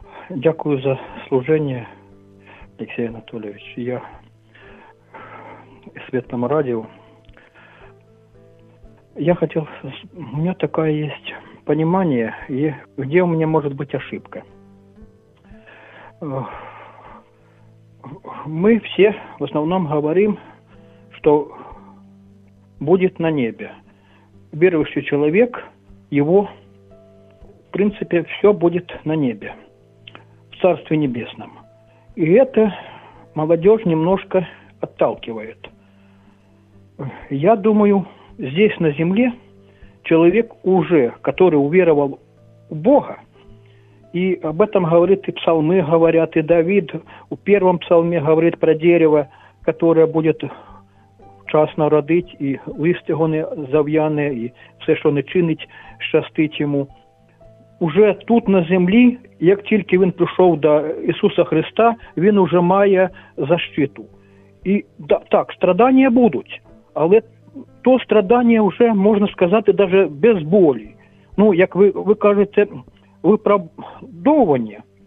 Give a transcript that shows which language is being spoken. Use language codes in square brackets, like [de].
[uk] Дякую за служення, Олексій Анатолійович. Я Святому Радіо. Я хотів... У мене таке є розуміння, де у мене може бути ошибка. [ru] Мы все в основном говорим, что будет на небе. Верующий человек, его, в принципе, все будет на небе, в Царстве Небесном. И это молодежь немножко отталкивает. Я думаю, здесь на земле человек уже, который уверовал в Бога, и об этом говорит и псалмы говорят, и Давид в первом псалме говорит про дерево, которое будет часно родить, и лист его не завьяне, и все, что не чинить, счастить ему. [uk] уже тут на землі, як тільки він прийшов до Ісуса Христа, він уже має защиту. І да, так, страдання будуть, але то страдання вже, можна сказати, навіть без болі. Ну, як ви кажете, виправдовані.